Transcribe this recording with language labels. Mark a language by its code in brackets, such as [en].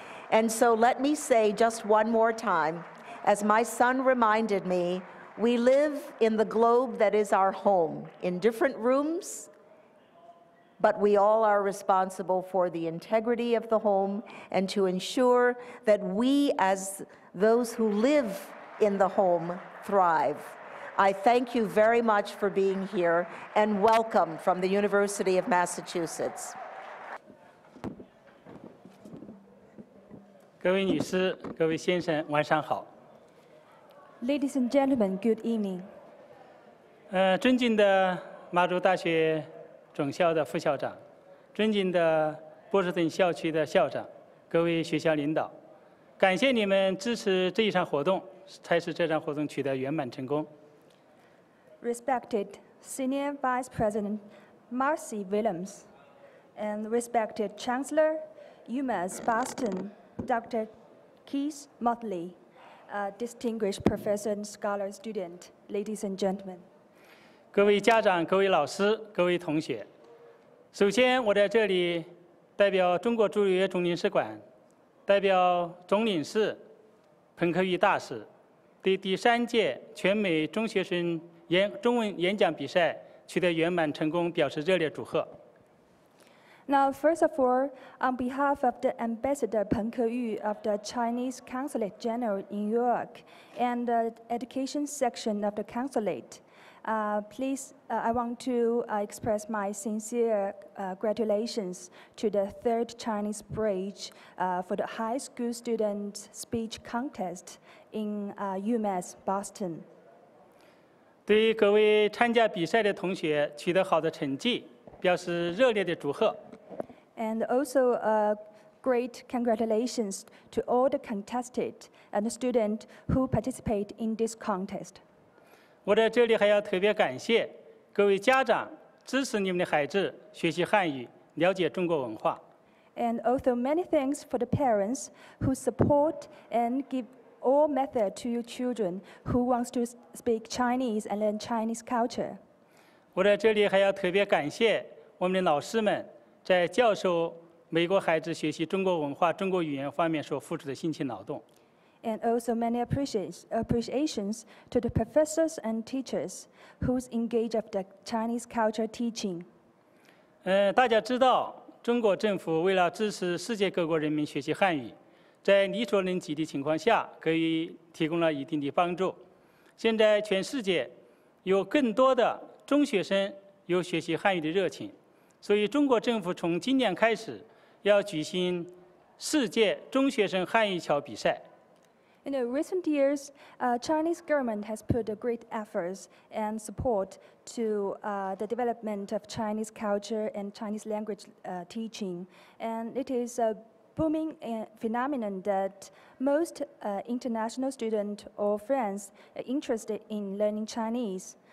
[en] And so let me say just one more time, as my son reminded me, we live in the globe that is our home, in different rooms, but we all are responsible for the integrity of the home and to ensure that we, as those who live in the home, thrive. I thank you very much for being here, and welcome from the University of Massachusetts. [zh] 各位女士，各位先生，晚上好。 [en] Ladies and gentlemen, good evening. [zh] 尊敬的马州大学总校的副校长，尊敬的。波士顿校区的校长，各位学校领导，感谢你们支持这一场活动，才使这场活动取得圆满成功。 [en] Respected Senior Vice President Marcy Williams and respected Chancellor UMass Boston Dr. Keith Motley, distinguished professor and scholar student, ladies and gentlemen. [zh] 各位家长、各位老师、各位同学，首先我在这里代表中国驻纽约总领事馆，代表总领事彭克玉大使，对第三届全美中学生中文演讲比赛取得圆满成功表示热烈祝贺。 [en] Now, first of all, on behalf of the Ambassador Peng Keyu of the Chinese Consulate General in New York and the Education Section of the Consulate, I want to express my sincere congratulations to the Third Chinese Bridge for the High School Student Speech Contest in UMass Boston. [zh] 对于各位参加比赛的同学取得好的成绩，表示热烈的祝贺。 [en] And also a great congratulations to all the contestants and the student who participate in this contest. [zh] 我在这里还要特别感谢各位家长支持你们的孩子学习汉语，了解中国文化。 [en] And also many thanks for the parents who support and give all method to your children who wants to speak Chinese and learn Chinese culture. [zh] 我在这里还要特别感谢我们的老师们。在教授美国孩子学习中国文化、中国语言方面所付出的辛勤劳动。 [en] And also many appreciations to the professors and teachers who's engaged of the Chinese culture teaching. [zh] 大家知道，中国政府为了支持世界各国人民学习汉语，在力所能及的情况下，给予提供了一定的帮助。现在全世界有更多的中学生有学习汉语的热情。所以中国政府从今年开始要举行世界中学生汉语桥比赛。 [en] In the recent years, Chinese government has put a great efforts and support to the development of Chinese culture and Chinese language teaching. And it is a booming phenomenon that most international students or friends are interested in learning Chinese.